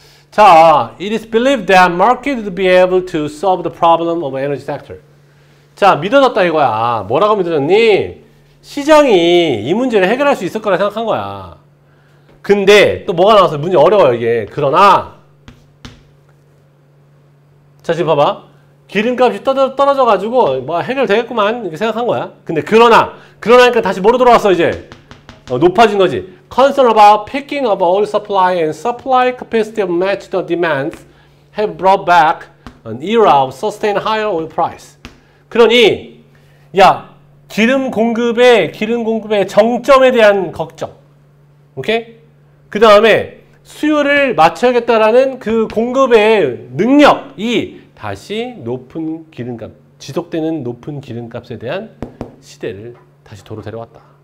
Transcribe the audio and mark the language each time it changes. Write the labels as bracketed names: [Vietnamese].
[English] 자, it is believed that market would be able to solve the problem of energy sector. [Korean] 자, 믿어졌다 이거야. 뭐라고 믿어졌니? 시장이 이 문제를 해결할 수 있을 거라 생각한 거야. 근데 또 뭐가 나왔어? 문제 어려워요, 이게. 그러나 자, 지금 봐봐. 기름값이 떨어져가지고 뭐 해결되겠구만 이렇게 생각한 거야. 근데 그러니까 다시 뭐로 돌아왔어, 이제? 높아진 거지. [English] Concern about picking of oil supply and supply capacity to match the demands have brought back an era of sustained higher oil price. [Korean] 그러니 야, 기름 공급의 정점에 대한 걱정. 오케이? 그다음에 수요를 맞춰야겠다라는 그 공급의 능력이 다시 높은 기름값, 지속되는 높은 기름값에 대한 시대를 다시 도로 데려왔다.